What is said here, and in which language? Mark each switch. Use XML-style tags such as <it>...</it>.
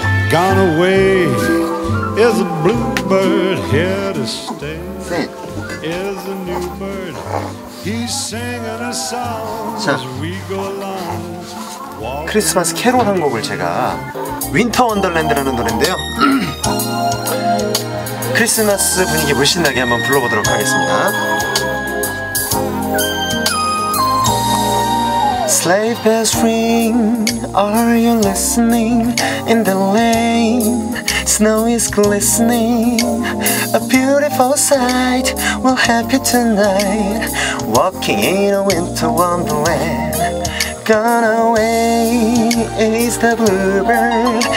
<en>Gone away is a bluebird here to stay. Is a new bird. He's singing a song as we go along.</en> <ko>크리스마스 캐롤 한 곡을 제가 윈터 원더랜드라는 노래인데요. 크리스마스 분위기 물씬나게 한번 불러보도록 하겠습니다.</ko> <en>Sleigh bells ring, are you listening? In the lane, snow is glistening. A beautiful sight, we'll have you tonight. Walking in a winter wonderland. Gone away is the bluebird.</en>